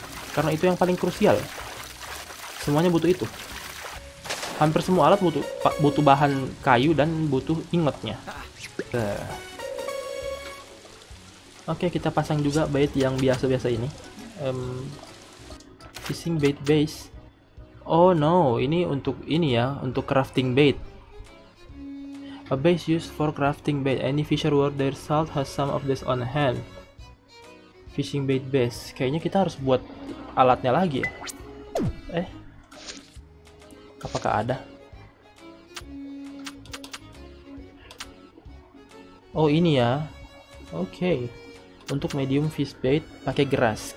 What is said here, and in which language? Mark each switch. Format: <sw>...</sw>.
<id>Karena itu yang paling krusial. Semuanya butuh itu. Hampir semua alat butuh bahan kayu dan butuh ingotnya. Oke, kita pasang juga bait yang biasa-biasa ini.</id> <en>Fishing bait base. Oh no,</en> <id>ini untuk ini ya, untuk</id> <en>crafting bait. A base used for crafting bait. Any fisher worth their salt has some of this on hand. Fishing bait base.</en> <id>Kayaknya kita harus buat alatnya lagi ya. Apakah ada? Oh ini ya. Oke. Untuk medium fish bait pakai grass.</id>